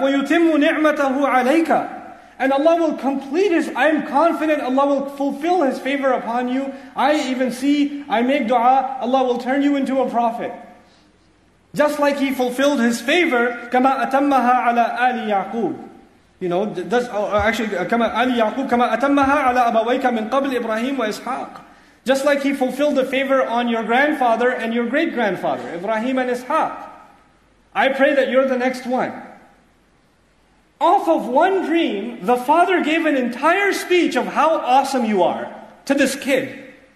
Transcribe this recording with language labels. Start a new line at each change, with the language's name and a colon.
Arabic: وَيُتِمُّ نِعْمَتَهُ عَلَيْكَ.
English: And Allah will complete His, I am confident Allah will fulfill His favor upon you. I even see, I make dua, Allah will turn you into a prophet. Just like He fulfilled His favor,
Arabic: كَمَا أَتَمَّهَا عَلَى آلِ يَعْقُوبِ.
English: You know,
Arabic: كَمَا آلِ يَعْقُوبِ كَمَا أَتَمَّهَا عَلَى أَبَوَيْكَ مِنْ قَبْلِ إِبْرَاهِيمُ وَإِسْحَاقِ.
English: Just like He fulfilled the favor on your grandfather and your great-grandfather, Ibrahim and Ishaq. I pray that you're the next one. Off of one dream, the father gave an entire speech of how awesome you are to this kid.